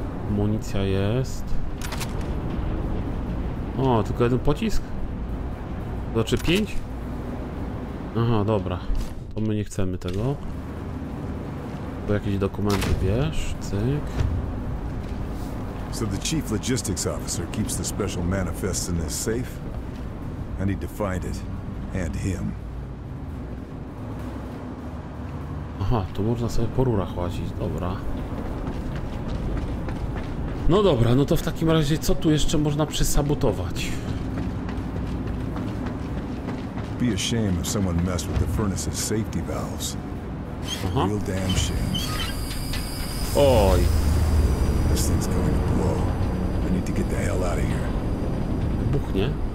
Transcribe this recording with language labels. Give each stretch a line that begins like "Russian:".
Polish: Amunicja jest. O, tylko jeden pocisk? Znaczy 5? Aha, dobra. To my nie chcemy tego. Bo jakieś dokumenty wiesz, cyk.
English: So the chief logistics officer keeps the special manifest in this safe. I need to find it and him.
Polish: Aha, tu można sobie po rurach łazić, dobra. No dobra, no to w takim razie co tu jeszcze można przesabotować?
English: Be a shame if someone messed with the furnace's safety valves. Aha. Real damn shame. Oj. This thing's going to blow. We need to get the hell out of here.
Polish: Buchnie.